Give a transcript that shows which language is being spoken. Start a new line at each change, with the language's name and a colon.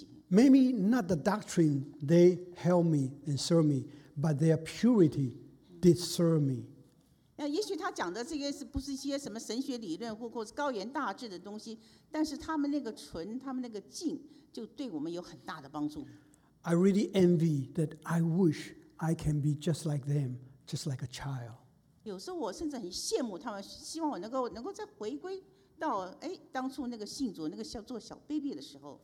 English: Maybe not the doctrine they help me and serve me, but their purity did serve me.
Chinese: 也许他讲的这些不是一些什么神学理论或高言大志的东西, 但是他们那个纯,他们那个敬就对我们有很大的帮助。
English: I really envy that I wish I can be just like them, just like a child.
Chinese: 有时候我甚至很羡慕他们,希望我能够再回归到当初那个信主,那个做小baby的时候。